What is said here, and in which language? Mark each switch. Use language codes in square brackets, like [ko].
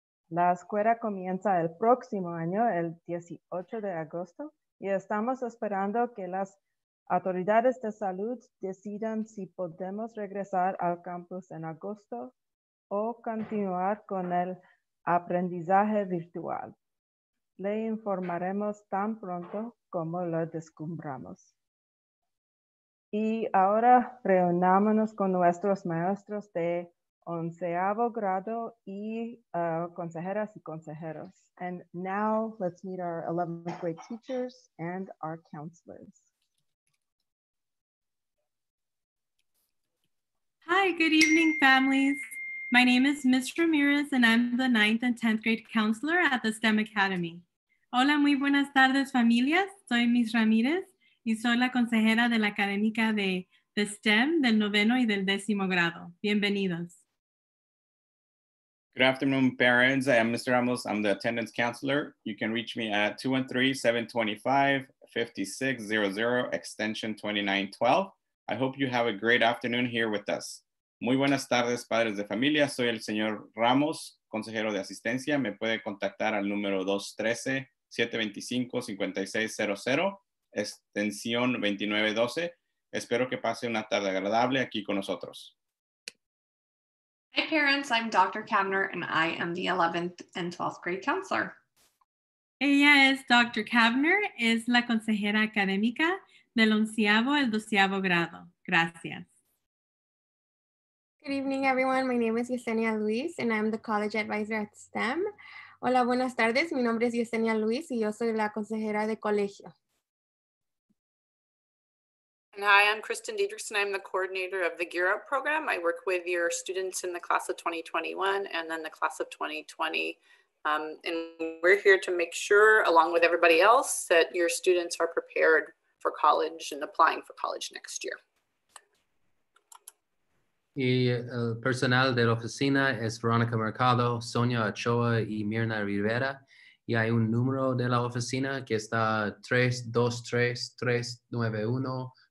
[es] La escuela comienza el próximo año, el 18 de agosto, y estamos esperando que las autoridades de salud decidan si podemos regresar al campus en agosto o continuar con el aprendizaje virtual. Le informaremos tan pronto como lo descubramos. Y ahora reunámonos con nuestros maestros de onceavo grado y consejeras y consejeros. [en] And now let's meet our 11th grade teachers and our counselors. Hi, good evening, families. My name is Ms. Ramirez, and I'm the 9th and 10th grade counselor at the STEM Academy. [es] Hola, muy buenas tardes, familias. Soy Ms. Ramirez, y soy la consejera de la Académica de the STEM del noveno y del décimo grado. Bienvenidos. [en] Good afternoon, parents. I am Mr. Ramos. I'm the attendance counselor. You can reach me at 213-725-5600, extension 2912. I hope you have a great afternoon here with us. [es] Muy buenas tardes, padres de familia. Soy el señor Ramos, consejero de asistencia. Me puede contactar al número 213-725-5600, extensión 2912. Espero que pase una tarde agradable aquí con nosotros. [en] Hi, parents. I'm Dr. Kavner, and I am the 11th and 12th grade counselor. [es] Ella es Dr. Kavner, es la consejera académica del onceavo al doceavo grado. Gracias. [en] Good evening, everyone. My name is Yesenia Luis, and I'm the college advisor at STEM. [es] Hola, buenas tardes. Mi nombre es Yesenia Luis, y yo soy la consejera de colegio. [en] And hi, I'm Kristen Diedrichsen. I'm the coordinator of the Gear Up program. I work with your students in the class of 2021 and then the class of 2020. And we're here to make sure, along with everybody else, that your students are prepared for college and applying for college next year. [es] Y el personal de la oficina es Veronica Mercado, Sonia Ochoa y Mirna Rivera. Y hay un número de la oficina que está 323-391-4908.